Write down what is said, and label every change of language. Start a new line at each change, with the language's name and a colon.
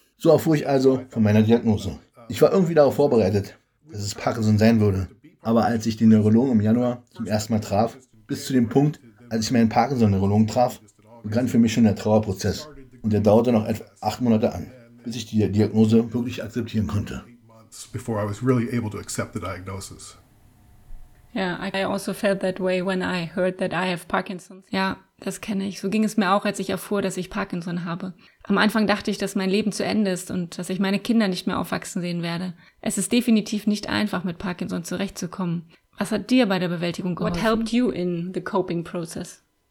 German: So erfuhr ich also von meiner Diagnose. Ich war irgendwie darauf vorbereitet, dass es Parkinson sein würde. Aber als ich den Neurologen im Januar zum ersten Mal traf, bis zu dem Punkt, als ich meinen Parkinson-Neurologen traf, begann für mich schon der Trauerprozess. Und der dauerte noch etwa 8 Monate an, bis ich die Diagnose wirklich akzeptieren konnte.
English: Before I was really able to accept the diagnosis. Yeah, I also felt that way when I heard that I have Parkinson's.
German: Ja, das kenne ich. So ging es mir auch, als ich erfuhr, dass ich Parkinson habe. Am Anfang dachte ich, dass mein Leben zu Ende ist und dass ich meine Kinder nicht mehr aufwachsen sehen werde. Es ist definitiv nicht einfach, mit Parkinson zurechtzukommen. Was hat dir bei der Bewältigung geholfen?
English: What helped you in the coping process?